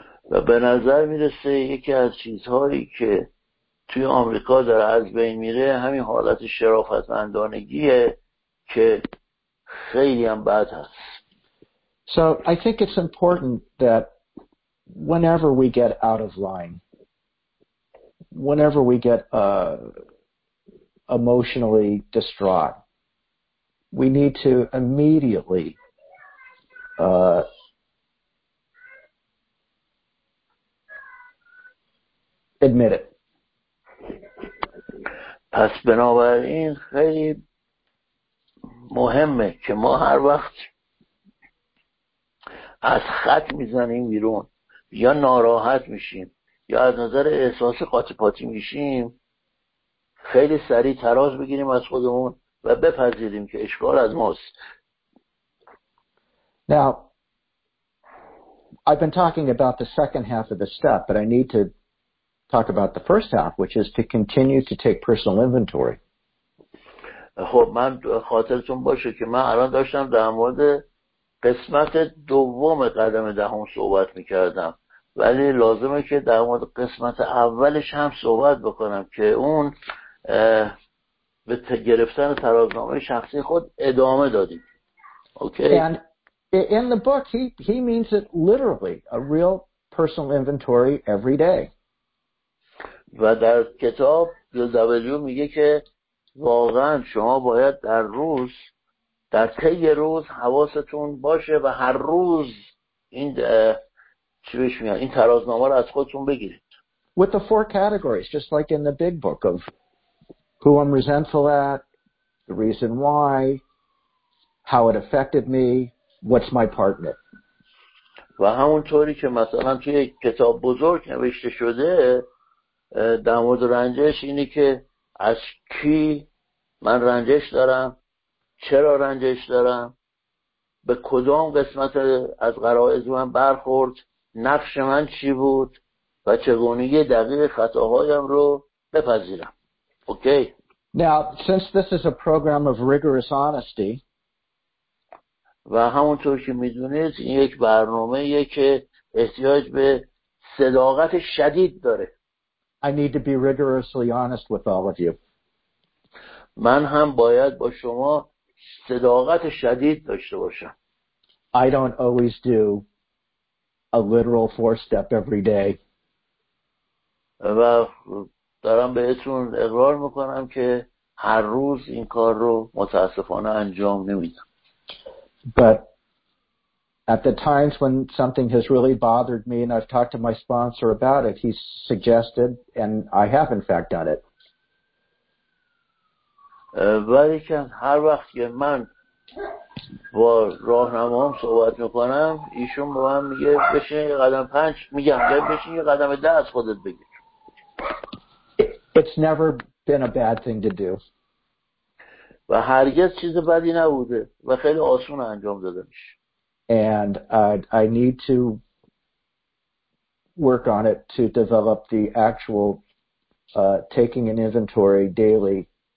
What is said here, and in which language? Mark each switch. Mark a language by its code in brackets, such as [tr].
[fa] و به نظر میرسه یکی از چیزهایی که توی آمریکا داره از بین میره همین حالت شرافتمندانگیه که خیلی هم بد هست. [en] So I think it's important that whenever we get out of line, whenever we get emotionally distraught, we need to immediately admit it. [fa] پس بنابراین خیلی مهمه که ما هر وقت از خط میزنیم بیرون یا ناراحت میشیم یا از نظر احساس قاطی‌پاتی میشیم خیلی سریع تراز بگیریم از خودمون و بپذیریم که اشکال از ماست. [en] Now I've been talking about the second half of the step, but I need to talk about the first half, which is to continue to take personal inventory. [fa] خب من خاطرتون باشه که من الان داشتم در مورد قسمت دوم قدم دهم صحبت میکردم، ولی لازمه که در مورد قسمت اولش هم صحبت بکنم که اون به گرفتن ترازنامه شخصی خود ادامه دادیم. [en] Okay. And in the book, he means it literally, a real personal inventory every day. [fa] و در کتاب دوزبجو میگه که واقعا شما باید در روز، در طی روز حواستون باشه و هر روز این چی بهش میگن این ترازنامه رو از خودتون بگیرید. [en] With the four categories, just like in the big book of who I'm resentful at, the reason why, how it affected me, what's my part in it. [fa] و همونطوری که مثلا توی کتاب بزرگ نوشته شده در مورد رنجش اینه که از کی من رنجش دارم، چرا رنجش دارم، به کدام قسمت از غرایز من برخورد، نقش من چی بود و چگونگی دقیق خطاهایم رو بپذیرم. [en] Okay. Now, since this is a program of rigorous honesty, [fa] و همونطور که میدونید این یک برنامه‌ایه که احتیاج به صداقت شدید داره. [en] I need to be rigorously honest with all of you. [fa] من هم باید با شما صداقت شدید داشته باشم. [en] I don't always do a literal four step every day. [fa] و دارم بهتون اقرار میکنم که هر روز این کار رو متاسفانه انجام نمیدم. [en] But at the times when something has really bothered me and I've talked to my sponsor about it, he's suggested, and I have in fact done it. [fa] ولیکن هر وقت که من با راهنمام صحبت میکنم ایشون با من میگه بشین یه قدم پنج، میگم بشین یه قدم ده از خودت بگیر. [en] It's never been a bad thing to do. [fa] و هرگز چیز بدی نبوده و خیلی آسون انجام داده میشه. [en] And I need to work on it to develop the actual taking an inventory daily.